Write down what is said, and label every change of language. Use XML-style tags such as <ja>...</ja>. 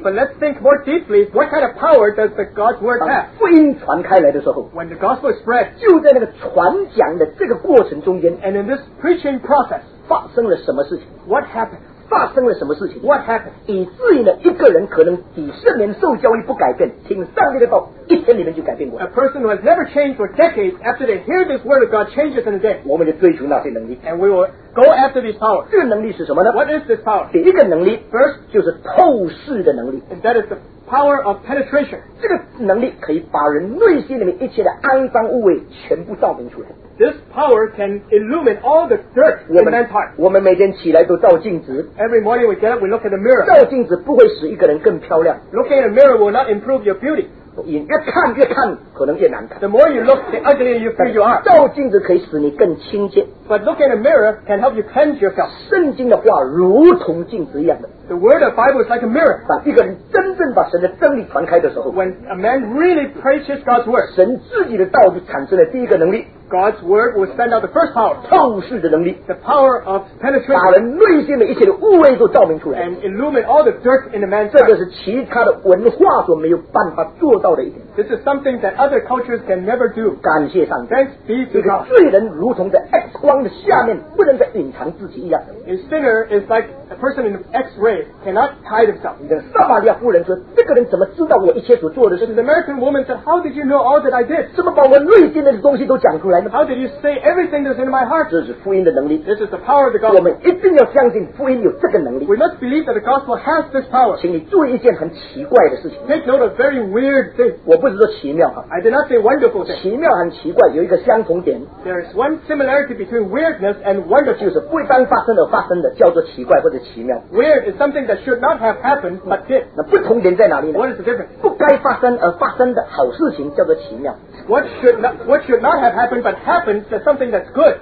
<en>But let's think more deeply. What kind of power does the God's word have?</en> <zh>当福音传开来的时候，</zh> <en>When the gospel is spread,</en> <zh>就在那个传讲的这个过程中间，</zh> <en>And in this preaching process,</en> <zh>发生了什么事情？</zh> <en>What happened?</en> <zh>发生了什么事情？</zh> <en>What happened?</en> <zh>以至于呢，一个人可能几十年受教育不改变，听上帝的道一天里面就改变过来。</zh> <en>A person who has never changed for decades after they hear this word of God changes in a day.</en> <zh>我们就追求那些能力。</zh> <en>And we will go after these powers.</en> <zh>这个能力是什么呢？</zh> <en>What is this power?</en> <zh>第一个能力，</zh> <en>First,</en> <zh>就是透视的能力。</zh> <en>And that is the power of penetration.</en> <zh>这个能力可以把人内心里面一切的肮脏污秽全部照明出来。</zh> <en>This power can illumine all the dirt in man's heart.</en> <zh>我们每天起来都照镜子。</zh> <en>Every morning we get up, we look in the mirror.</en> <zh>照镜子不会使一个人更漂亮。</zh> <en>Looking in the mirror will not improve your beauty.</en> <zh>越看越看，可能越难看。</zh> <en>The more you look, the uglier you feel you are.</en> <zh>照镜子可以使你更清洁。</zh> <en>But looking in the mirror can help you cleanse yourself.</en> <zh>圣经的话如同镜子一样的。</zh> <en>The word of Bible is like a mirror.</en> <zh>当一个人真正把神的真理传开的时候，</zh> <en>When a man really preaches God's word,</en> <zh>神自己的道就产生了第一个能力。</zh> <en>God's word will send out the first power,</en> <zh>透视的能力，</zh> <en>the power of penetration,</en> <zh>把人内心的一切的污秽都照明出来，</zh> <en>and illumine all the dirt in the man's heart.</en> <zh>这个是其他的文化所没有办法做到的一点。</zh> <en>This is something that other cultures can never do.</en> <zh>感谢上帝。</zh> <en>Thanks be to God.</en> <zh>罪人如同在 X 光的下面，不能再隐藏自己一样。</zh> <en>A sinner is like a person in X-ray, cannot hide himself.</en> <zh>那个撒玛利亚妇人说：“这个人怎么知道我一切所做的事？”</zh> <en>The American woman said, "How did you know all that I did?"</en> <zh>怎么把我内心的东西都讲出来？</zh> <en>How did you say everything that's in my heart?</en> <zh>这是福音的能力。</zh> <en>This is the power of the gospel.</en> <zh>我们一定要相信福音有这个能力。</zh> <en>We must believe that the gospel has this power.</en> <zh>请你注意一件很奇怪的事情。</zh> <en>Take note of very weird things.</en> <zh>我不是说奇妙</zh> <en>啊。I did not say wonderful things.</en> <zh>奇妙和奇怪有一个相同点。</zh> <en>There is one similarity between weirdness and wonder.</en> <zh>就是不当发生的发生的叫做奇怪或者奇妙。</zh> <en>Weird is something that should not have happened but did.</en> <zh>那不同点在哪里呢？</zh> <en>What is the difference?</en> <zh>不该发生而发生的好事情叫做奇妙。</zh> <en>What should not have happened but happens is something that's good.</en>